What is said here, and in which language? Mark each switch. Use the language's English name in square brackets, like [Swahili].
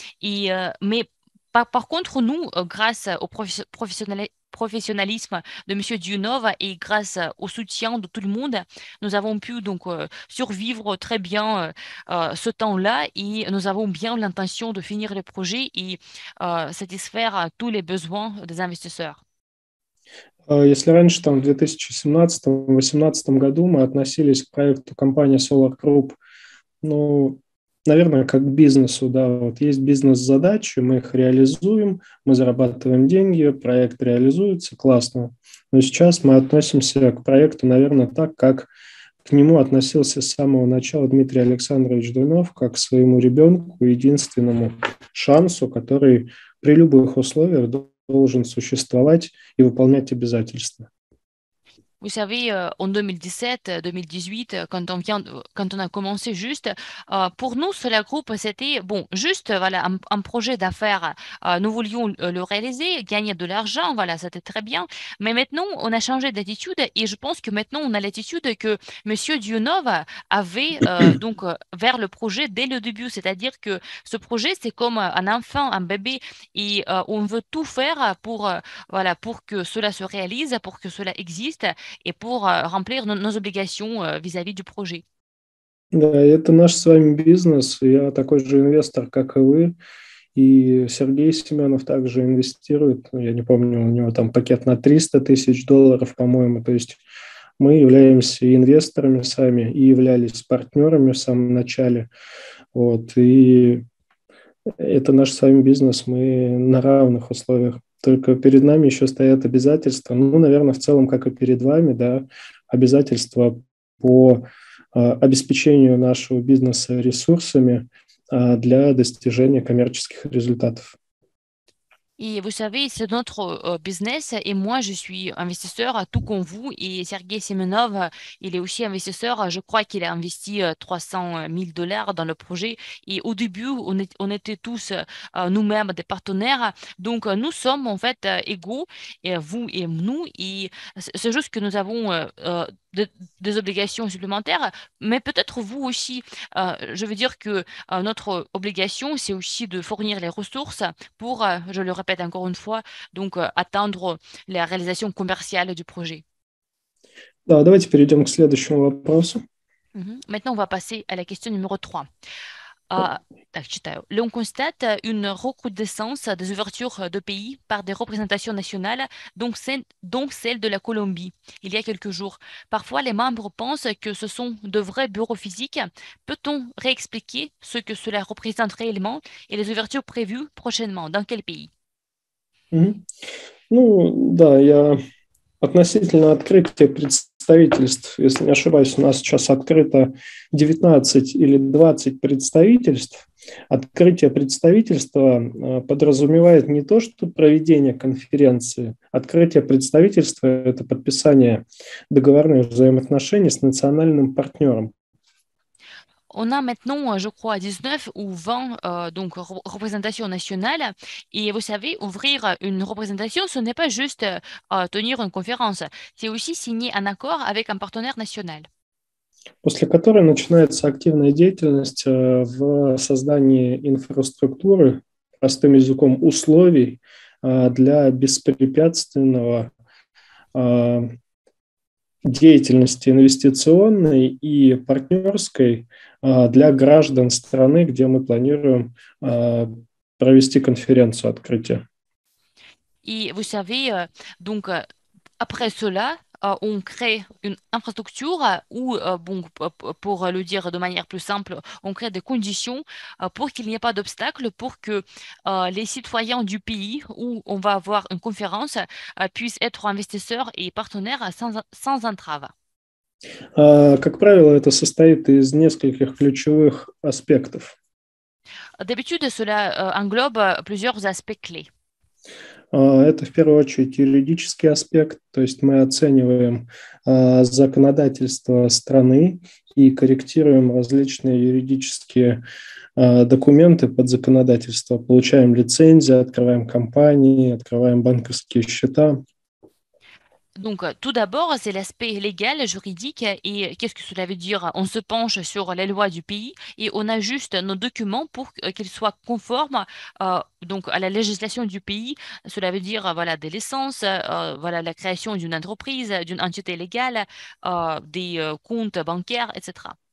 [French] Et mais par contre, nous, grâce aux professionnalisme de M. Dionov et grâce au soutien de tout le monde, nous avons pu donc survivre très bien ce temps-là et nous avons bien l'intention de finir le projet et satisfaire tous les besoins des investisseurs. [Russian] Если раньше, там, в 2017-2018 году, мы относились к проекту компании Solar Group, ну, наверное, как к бизнесу, да, вот есть бизнес-задачи, мы их реализуем, мы зарабатываем деньги, проект реализуется, классно. Но сейчас мы относимся к проекту, наверное, так, как к нему относился с самого начала Дмитрий Александрович Дуйнов, как к своему ребенку, единственному шансу, который при любых условиях должен существовать и выполнять обязательства. [French] Vous savez, en 2017-2018, quand on a commencé juste, pour nous, Solar Group, c'était bon, juste voilà, un projet d'affaires. Nous voulions le réaliser, gagner de l'argent, voilà, c'était très bien. Mais maintenant, on a changé d'attitude et je pense que maintenant, on a l'attitude que M. Dionov avait donc vers le projet dès le début. C'est-à-dire que ce projet, c'est comme un enfant, un bébé et on veut tout faire pour, voilà, pour que cela se réalise, pour que cela existe. Et pour remplir nos obligations vis-à-vis du projet. [Russian] Да, это наш с вами бизнес. Я такой же инвестор, как и вы. И Сергей Семенов также инвестирует. Я не помню, у него там пакет на 300 тысяч долларов, по-моему. То есть мы являемся инвесторами сами и являлись партнерами в самом начале. Вот. И это наш с вами бизнес. Мы на равных условиях. Только перед нами еще стоят обязательства, ну, наверное, в целом, как и перед вами, да, обязательства по обеспечению нашего бизнеса ресурсами для достижения коммерческих результатов. [French] Et vous savez, c'est notre business et moi, je suis investisseur tout comme vous et Sergei Semenov, il est aussi investisseur. Je crois qu'il a investi 300 000 dollars dans le projet et au début, on était tous nous-mêmes des partenaires. Donc, nous sommes en fait égaux, vous et nous. Et c'est juste que nous avons des obligations supplémentaires, mais peut-être vous aussi. Je veux dire que notre obligation, c'est aussi de fournir les ressources pour, je le répète encore une fois, donc attendre la réalisation commerciale du projet. [Russian] Да, давайте перейдем к следующему вопросу. [French] Maintenant, on va passer à la question numéro 3. L'on constate une recrudescence des ouvertures de pays par des représentations nationales, dont celle de la Colombie, il y a quelques jours. Parfois, les membres pensent que ce sont de vrais bureaux physiques. Peut-on réexpliquer ce que cela représente réellement et les ouvertures prévues prochainement? Dans quel pays? [Russian] Ну, да, я Относительно открытия представительств, если не ошибаюсь, у нас сейчас открыто 19 или 20 представительств. Открытие представительства подразумевает не то, что проведение конференции. Открытие представительства – это подписание договорных взаимоотношений с национальным партнером. [French] On a maintenant, je crois, 19 ou 20 donc, représentations nationales. Et vous savez, ouvrir une représentation, ce n'est pas juste tenir une conférence. C'est aussi signer un accord avec un partenaire national. [Russian] После которой начинается активная деятельность в создании инфраструктуры, простым языком, условий для беспрепятственного деятельности инвестиционной и партнерской для граждан страны, где мы планируем провести конференцию открытия. И вы знаете, [French] donc après cela, on crée une infrastructure ou bon pour le dire de manière plus simple, on crée des conditions pour qu'il n'y ait pas d'obstacle pour que les citoyens du pays où on va avoir une conférence puissent être investisseurs et partenaires sans entrave. [Russian] Как правило, это состоит из нескольких ключевых аспектов. [French] D'habitude, cela englobe plusieurs aspects clés. [Russian] Это в первую очередь юридический аспект, то есть мы оцениваем законодательство страны и корректируем различные юридические документы под законодательство, получаем лицензии, открываем компании, открываем банковские счета. [French] Donc, tout d'abord, c'est l'aspect légal, juridique, et qu'est-ce que cela veut dire? On se penche sur les lois du pays et on ajuste nos documents pour qu'ils soient conformes donc, à la législation du pays. Cela veut dire voilà, des licences, voilà, la création d'une entreprise, d'une entité légale, des comptes bancaires, etc.